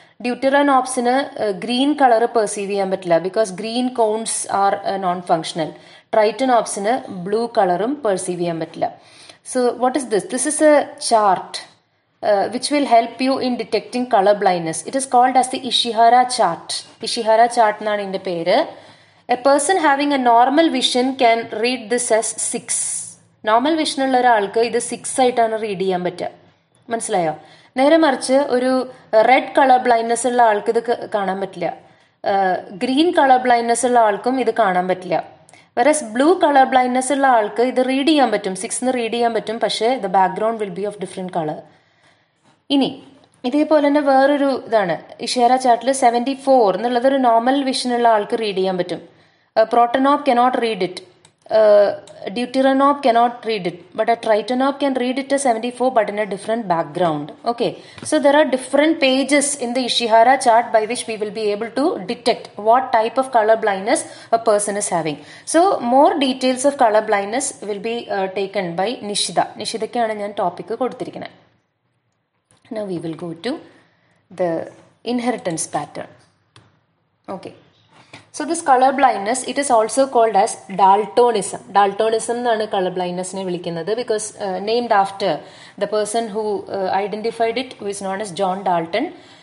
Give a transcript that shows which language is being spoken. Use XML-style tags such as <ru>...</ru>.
<ml>ഡ്യൂട്ടിറനോപ്സിന് green colour perceive ചെയ്യാൻ പറ്റില്ല,</ml> <en>Because green cones are non functional.</en> <ml>ട്രൈറ്റനോപ്സിന് blue കളറും perceive ചെയ്യാൻ പറ്റില്ല.</ml> <en>So what is this? This is a chart which will help you in detecting colour blindness. It is called as the</en> <ml>Ishihara chart. Ishihara chart എന്നാണ് ഇതിൻ്റെ പേര്.</ml> <en>A person having a normal vision can read this as 6.</en> <ml>Normal vision ഉള്ള ഒരാൾക്ക് ഇത് 6 ആയിട്ടാണ് read ചെയ്യാൻ പറ്റുക, മനസ്സിലായോ? നേരെ മറിച്ച് ഒരു റെഡ് കളർ ബ്ലൈൻഡ്നെസ് ഉള്ള ആൾക്ക് ഇത് കാണാൻ പറ്റില്ല, ഗ്രീൻ കളർ ബ്ലൈൻഡ്നെസ് ഉള്ള ആൾക്കും ഇത് കാണാൻ പറ്റില്ല. വെറസ് ബ്ലൂ കളർ ബ്ലൈൻഡ്നെസ് ഉള്ള ആൾക്ക് ഇത് റീഡ് ചെയ്യാൻ പറ്റും, സിക്സ് എന്ന് റീഡ് ചെയ്യാൻ പറ്റും, പക്ഷേ</ml> <en>The background will be of different colour.</en> <ml>ഇനി ഇതേപോലെ തന്നെ വേറൊരു ഇതാണ് ഇഷേറ ചാർട്ടിൽ 74 എന്നുള്ളത് ഒരു നോർമൽ വിഷനുള്ള ആൾക്ക് റീഡ് ചെയ്യാൻ പറ്റും.</ml> <en>Protanope cannot read it, deuteranope cannot read it, but a tritanope can read it a 74 but in a different background. Okay, so there are different pages in the Ishihara chart by which we will be able to detect what type of colour blindness a person is having. So more details of colour blindness will be taken by Nishitha.</en> <ml>നിഷിതയ്ക്കാണ് ഞാൻ topic കൊടുത്തിരിക്കുന്നത്.</ml> <en>Now we will go to the inheritance pattern. Okay. So this color blindness, it is also called as Daltonism. Daltonism is called color blindness because named after the person who identified it, who is known as John Dalton.</en>